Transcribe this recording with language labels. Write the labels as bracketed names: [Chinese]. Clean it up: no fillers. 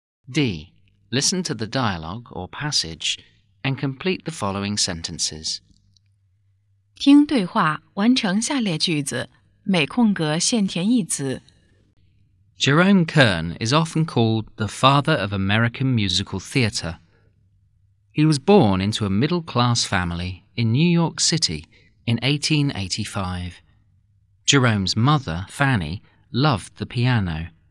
[English] D. Listen to the dialogue or passage and complete the following sentences. [Chinese] 听对话，完成下列句子，每空格限填一词。 [English] Jerome Kern is often called the father of American musical theater. He was born into a middle-class family in New York City in 1885. Jerome's mother, Fanny, loved the piano.